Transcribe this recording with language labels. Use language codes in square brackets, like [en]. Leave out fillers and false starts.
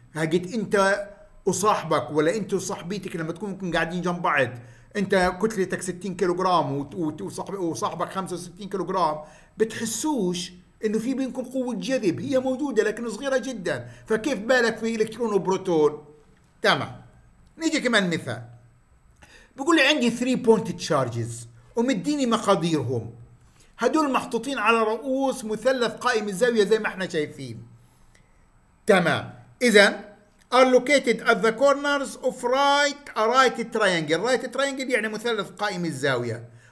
[ar] هاجت أنت وصاحبك ولا أنت وصاحبيتك لما تكون قاعدين جنب بعض، أنت كتلتك 60 كيلوغرام وصاحبك 65 كيلوغرام، بتحسوش إنه في بينكم قوة جذب، هي موجودة لكن صغيرة جدا. فكيف بالك في إلكترون وبروتون؟ تمام. نيجي كمان مثال، بيقول لي عندي 3 بوينت تشارجز ومديني مقاديرهم، هدول محطوطين على رؤوس مثلث قائم الزاوية زي ما احنا شايفين. تمام. اذا [en] are located at the corners of right triangle. [ar] right triangle يعني مثلث قائم الزاوية.